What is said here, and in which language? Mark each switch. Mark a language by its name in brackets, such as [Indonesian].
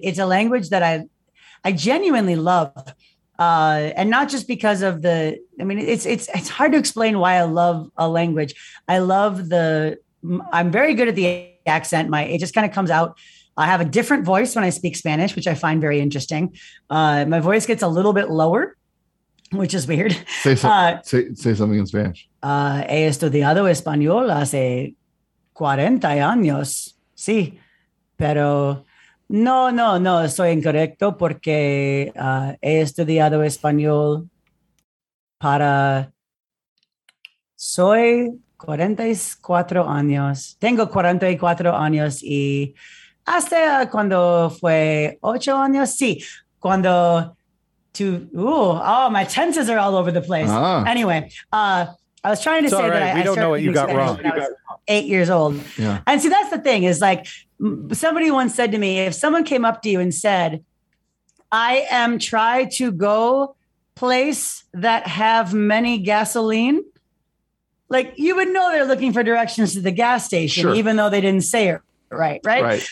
[English] It's a language that I genuinely love. And not just because of it's hard to explain why I love a language. I'm very good at the accent. It just kind of comes out. I have a different voice when I speak Spanish, which I find very interesting. My voice gets a little bit lower, which is weird. Say something in Spanish. [Spanish] He estudiado español hace 40 años. Sí, pero... No, soy incorrecto porque he estudiado español para soy 44 años. Tengo 44 años y hasta cuando fue 8 años. Sí, cuando [English] to, ooh, oh, my tenses are all over the place. Uh-huh. Anyway, I was trying to say that we don't know what you got wrong. I was 8 years old. Yeah. And see, that's the thing is like somebody once said to me, if someone came up to you and said, I am try to go place that have many gasoline, like you would know they're looking for directions to the gas station, sure. even though they didn't say it. Right.